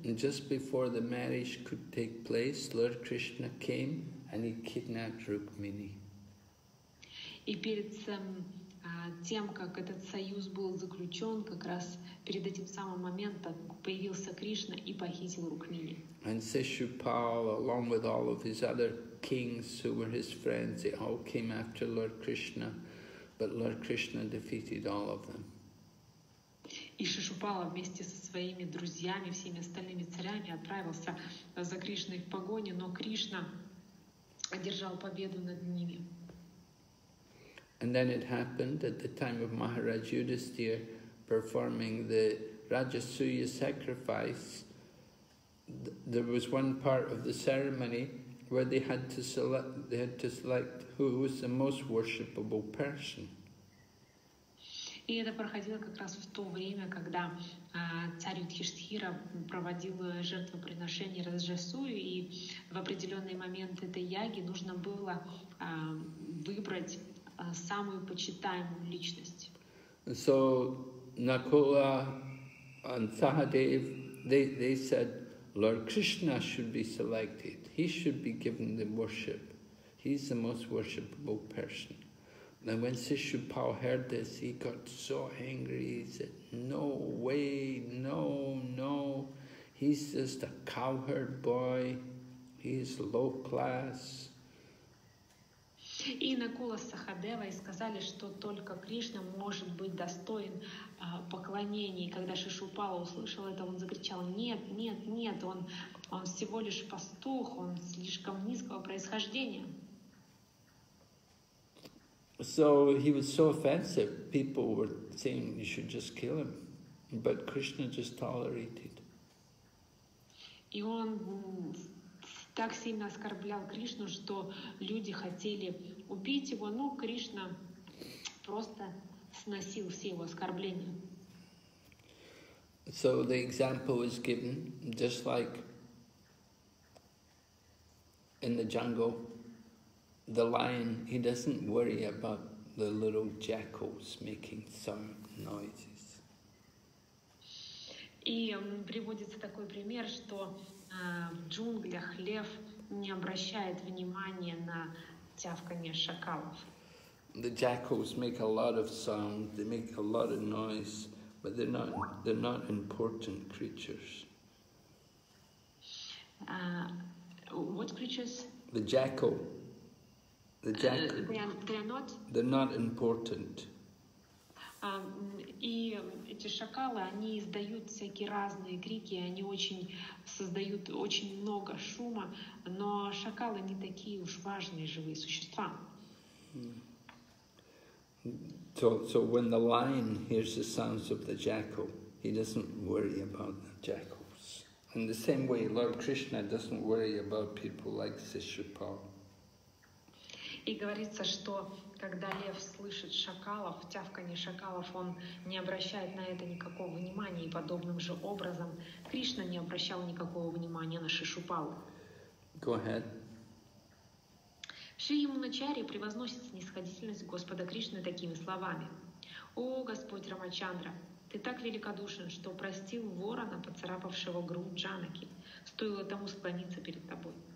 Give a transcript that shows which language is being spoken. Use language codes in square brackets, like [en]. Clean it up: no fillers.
[en] Just before the marriage could take place, Lord Krishna came and he kidnapped Rukmini. [ru] И перед тем, как этот союз был заключен, как раз перед этим самым моментом появился Кришна и похитил Рукмини. [en] And Sishupala, along with all of his other kings who were his friends, they all came after Lord Krishna, but Lord Krishna defeated all of them. [ru] И Шишупала вместе со своими друзьями, всеми остальными царями, отправился за Кришной в погоне, но Кришна одержал победу над ними. [en] And then it happened at the time of Maharaj Yudhisthira performing the Rajasuya sacrifice. There was one part of the ceremony where they had to select who was the most worshipable person. [ru] И это проходило как раз в то время, когда царь Юдхиштхира проводил жертвоприношение Раджасу, и в определенный момент этой яги нужно было выбрать самую почитаемую личность. [en] So Nakula and Sahadev, they said Lord Krishna should be selected. He should be given the worship. He's the most worshipable person. And when Sishupal heard this, he got so angry. He said, "No way, no, no. He's just a cowherd boy. He's low class." [ru] И Накула Сахадева и сказали, что только Кришна может быть достоин поклонения. И когда Шишупала услышал это, он закричал: "Нет, нет, нет! Он всего лишь пастух. Он слишком низкого происхождения." [en] So he was so offensive, people were saying you should just kill him, but Krishna just tolerated. [ru] И он так сильно оскорблял Кришну, что люди хотели убить его, но Кришна просто сносил все его оскорбления. [en] So the example is given just like in the jungle. The lion, he doesn't worry about the little jackals making some noises. [ru] И приводится такой пример, что в джунглях лев не обращает внимания на тявканье шакалов. [en] The jackals make a lot of sound, they make a lot of noise, but they're not important creatures. What creatures? The jackal. The jackals, they're not important. [ru] И эти шакалы, они издают всякие разные крики, они создают очень много шума, но шакалы не такие уж важные живые существа. [en] So when the lion hears the sounds of the jackal, he doesn't worry about the jackals. In the same way, Lord Krishna doesn't worry about people like Sishupal. [ru] И говорится, что когда лев слышит шакалов, тявканье шакалов, он не обращает на это никакого внимания, и подобным же образом Кришна не обращал никакого внимания на Шишупалу. [en] Go ahead. [ru] Шри Ямуначари превозносит снисходительность Господа Кришны такими словами: «О, Господь Рамачандра, ты так великодушен, что простил ворона, поцарапавшего грудь Джанаки, стоило тому склониться перед тобой».